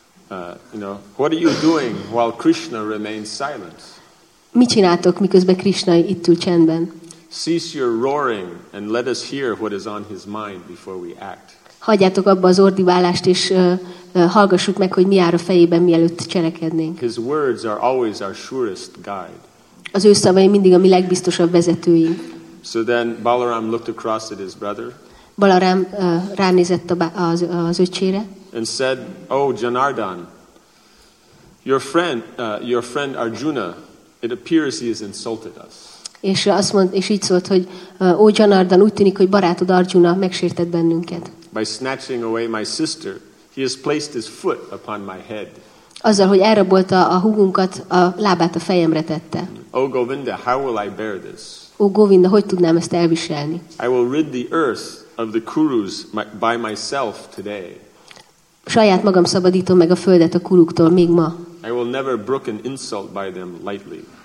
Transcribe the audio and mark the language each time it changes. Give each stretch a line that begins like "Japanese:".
English: You know, what are you doing while Krishna remains silent?
Hungarian: Mit csináltok, miközben Krishna itt ül csendben?
English: Cease your roaring and let us hear what is on his mind before we act.
Hungarian: Hagyjátok abba az ordiválást és hallgassuk meg, hogy mi jár a fejében, mielőtt cselekednénk.
English: His words are always our surest guide.
Hungarian: Az ő szavai mindig a mi legbiztosabb vezetőink.
English: So then Balaram looked across at his brother.
Hungarian: Balaram ránézett az öcsére.
English: And said, "Oh, Janardan, your friend Arjuna, it appears he has insulted us."
Hungarian: És azt mond, és így szólt, hogy ó, Janardan, úgy tűnik, hogy barátod Arjuna megsértett bennünket.
English: By snatching away my sister, he has placed his foot upon my head.
Hungarian: Azzal, hogy elrabolta a húgunkat, a lábát a fejemre tette.
English: O Govinda, how will I bear this?
Hungarian: O Govinda, hogy tudnám ezt elviselni?
English: I will rid the earth of the Kurus by myself today.
Hungarian: Saját magam szabadítom meg a földet a kuruktól még ma.
English: I will never brook an insult by them lightly.